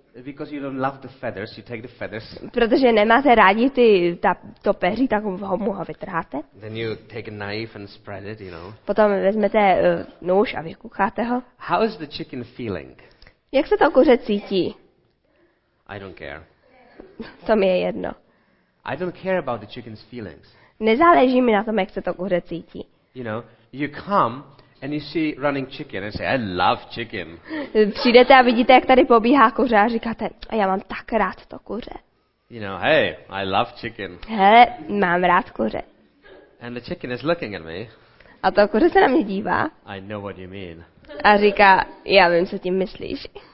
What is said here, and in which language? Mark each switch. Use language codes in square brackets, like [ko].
[en] Because you don't love the feathers, you take the feathers. [cs] Protože nemáte rádi to peří, tak mu ho vytrháte. [en] Then you take a knife and spread it, you know. [cs] Potom vezmete nůž a vykucháte ho. [en] How is the chicken feeling? [cs] Jak se to kuře cítí? [en] I don't care. [cs] To mi je jedno. [en] I don't care about the chicken's feelings. [cs] Nezáleží mi na tom, jak se to kuře cítí. [en] You know, you come and you see running chicken and say, I love chicken. [cs] Přijdete a vidíte, jak tady pobíhá kuře a říkáte, a já mám tak rád to kuře. [en] You know, hey, I love chicken. [cs] Hele, mám rád kuře. [en] And the chicken is looking at me. [cs] A to kuře se na mě dívá. [en] I know what you mean. [cs] A říká, já vím, co tím myslíš.